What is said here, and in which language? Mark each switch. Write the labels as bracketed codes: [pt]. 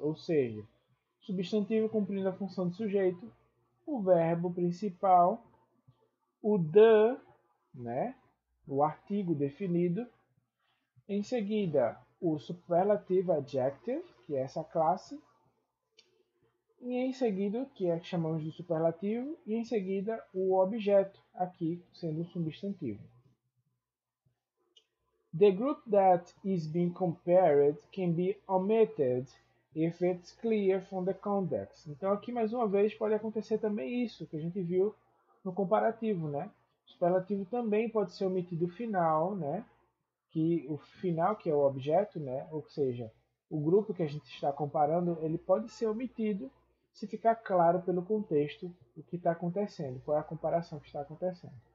[pt] Ou seja, substantivo cumprindo a função de sujeito, o verbo principal, o the, né, o artigo definido, em seguida o superlative adjective, que é essa classe, e em seguida, que é o que chamamos de superlativo, e em seguida o objeto, aqui sendo o substantivo. [en] The group that is being compared can be omitted if it's clear from the context. [pt] Então aqui mais uma vez pode acontecer também isso que a gente viu no comparativo, né? Superlativo também pode ser omitido final, né? Que o final, que é o objeto, né? Ou seja, o grupo que a gente está comparando, ele pode ser omitido se ficar claro pelo contexto o que está acontecendo, qual é a comparação que está acontecendo.